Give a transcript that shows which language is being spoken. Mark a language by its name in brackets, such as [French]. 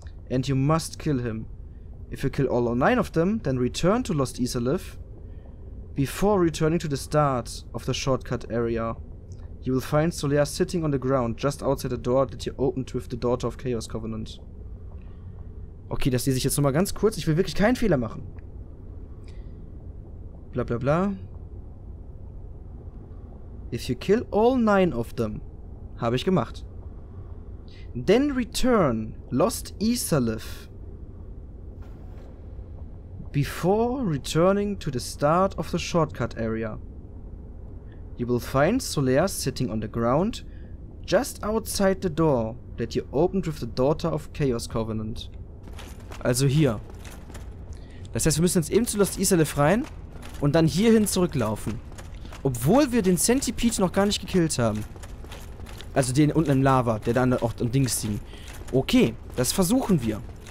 [English] And you must kill him. If you kill all 9 of them, then return to Lost Isalith before returning to the start of the shortcut area. You will find Zolaire sitting on the ground just outside the door that you opened with the Daughter of Chaos Covenant. [German] Okay, das lese ich jetzt nochmal ganz kurz. Ich will wirklich keinen Fehler machen. Bla bla bla. [English] If you kill all 9 of them, [German] habe ich gemacht. [English] Then return Lost Isalith before returning to the start of the shortcut area. You will find Zolaire sitting on the ground just outside the door that you opened with the Daughter of Chaos Covenant. [German] Also hier. Das heißt, wir müssen jetzt eben zu Lost Isalith rein und dann hierhin zurücklaufen. Obwohl wir den Centipede noch gar nicht gekillt haben. Also den unten im Lava, der da an der Ort und Dings ziehen. Okay, das versuchen wir.